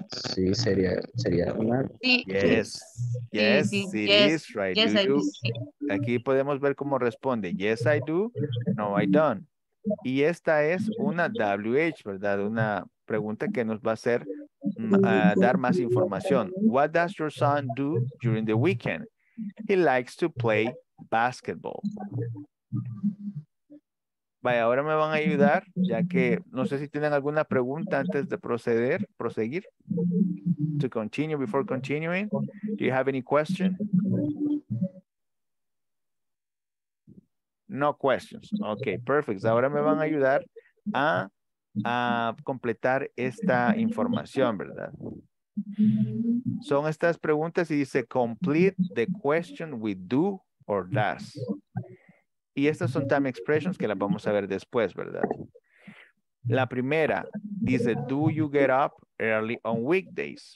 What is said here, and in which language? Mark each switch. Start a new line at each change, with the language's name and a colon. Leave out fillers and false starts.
Spanish: Sí, sería una.
English: Yes. Yes, sí, sí, it yes, is, right. Yes, do you, I do.
Spanish: Aquí podemos ver cómo responde.
English: Yes, I do. No, I don't.
Spanish: Y esta es una WH, ¿verdad? Una pregunta que nos va a hacer dar más información.
English: What does your son do during the weekend? He likes to play basketball.
Spanish: Vaya, ahora me van a ayudar, ya que no sé si tienen alguna pregunta antes de proseguir.
English: To continue, before continuing. Do you have any question? No questions. Okay, perfect.
Spanish: Ahora me van a ayudar a completar esta información, ¿verdad? Son estas preguntas y dice,
English: complete the question with do or does.
Spanish: Y estas son time expressions que las vamos a ver después, ¿verdad? La primera dice,
English: do you get up early on weekdays?